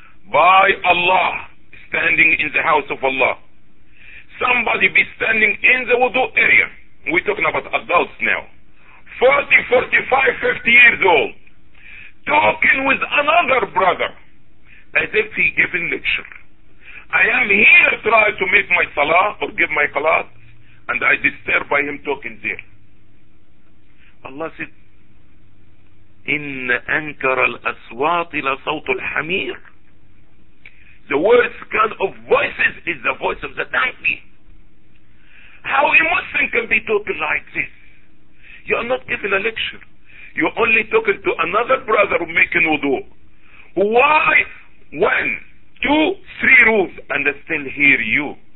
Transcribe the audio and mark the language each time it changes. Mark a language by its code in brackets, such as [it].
[en] By Allah, standing in the house of Allah, somebody be standing in the wudu area, we're talking about adults now, 40, 45, 50 years old, talking with another brother as if he giving lecture. I am here trying to make my salah or give my class, and I disturb by him talking there. Allah said, [ar] إن أنكر الأصوات لصوت الحمير. [en] The worst kind of voices is the voice of the donkey. How a Muslim can be talking like this? You are not giving a lecture. You are only talking to another brother making wudu. Why? One, two, three rooms, and they still hear you.